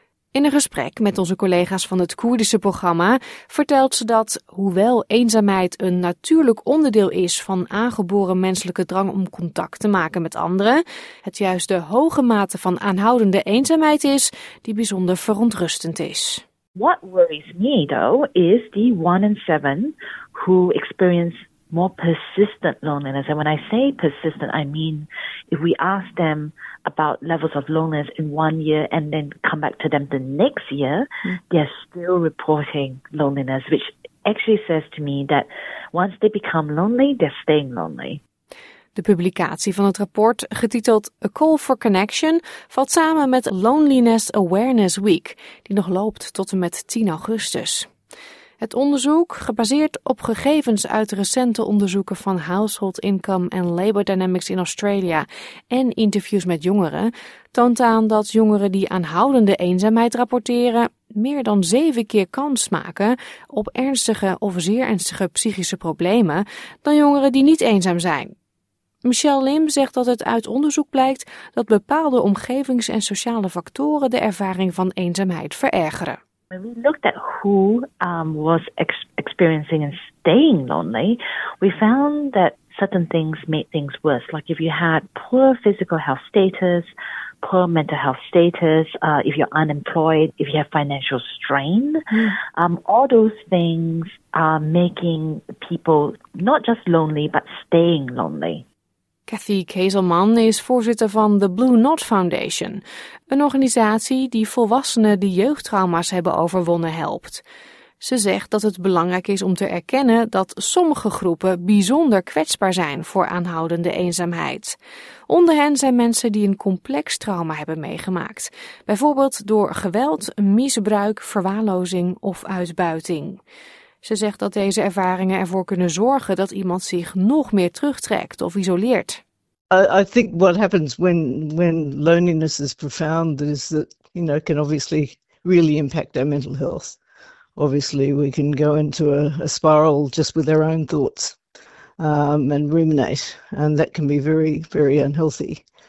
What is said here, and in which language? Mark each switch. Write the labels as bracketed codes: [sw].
[nl] In een gesprek met onze collega's van het Koerdische programma vertelt ze dat, hoewel eenzaamheid een natuurlijk onderdeel is van aangeboren menselijke drang om contact te maken met anderen, het juist de hoge mate van aanhoudende eenzaamheid is die bijzonder verontrustend is. [en] What worries me though is the 1 in 7 who experience more persistent loneliness. And when I say persistent, I mean if we ask them about levels of loneliness in 1 year and then come back to them the next year, they're still reporting loneliness, which actually says to me that once they become lonely, they're staying lonely. [nl] De publicatie van het rapport, getiteld A Call for Connection, valt samen met Loneliness Awareness Week, die nog loopt tot en met 10 augustus. Het onderzoek, gebaseerd op gegevens uit recente onderzoeken van Household Income and Labour Dynamics in Australia en interviews met jongeren, toont aan dat jongeren die aanhoudende eenzaamheid rapporteren meer dan 7 keer kans maken op ernstige of zeer ernstige psychische problemen dan jongeren die niet eenzaam zijn. Michelle Lim zegt dat het uit onderzoek blijkt dat bepaalde omgevings- en sociale factoren de ervaring van eenzaamheid verergeren. [en] When we looked at who was experiencing and staying lonely, we found that certain things made things worse. Like if you had poor physical health status, poor mental health status, if you're unemployed, if you have financial strain, all those things are making people not just lonely, but staying lonely. [nl] Cathy Kezelman is voorzitter van de Blue Knot Foundation, een organisatie die volwassenen die jeugdtrauma's hebben overwonnen helpt. Ze zegt dat het belangrijk is om te erkennen dat sommige groepen bijzonder kwetsbaar zijn voor aanhoudende eenzaamheid. Onder hen zijn mensen die een complex trauma hebben meegemaakt, bijvoorbeeld door geweld, misbruik, verwaarlozing of uitbuiting. Ze zegt dat deze ervaringen ervoor kunnen zorgen dat iemand zich nog meer terugtrekt of isoleert. [en] I think what happens when loneliness is profound is that, you know, can obviously really impact our mental health. Obviously, we can go into a spiral just with our own thoughts and ruminate, and that can be very, very unhealthy.